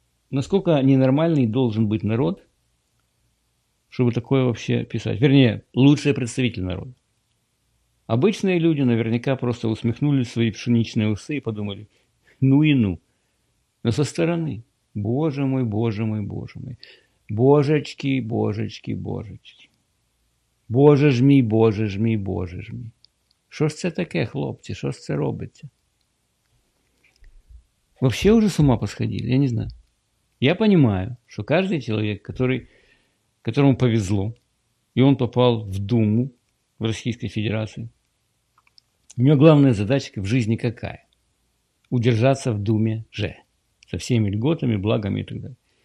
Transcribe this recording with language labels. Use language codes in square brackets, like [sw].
[ru] Насколько ненормальный должен быть народ, чтобы такое вообще писать. Вернее, лучшие представители народа. Обычные люди наверняка просто усмехнули свои пшеничные усы и подумали, ну и ну. Но со стороны, боже мой, боже мой, боже мой. Божечки, божечки, божечки. [uk] Боже ж мій, Боже ж мій, Боже ж мій. Що ж це таке, хлопці, що ж це робиться? [ru] Вообще уже с ума посходили, я не знаю. Я понимаю, что каждый человек, которому повезло, и он попал в Думу в Российской Федерации, у него главная задача в жизни какая? Удержаться в Думе же, со всеми льготами, благами и так далее.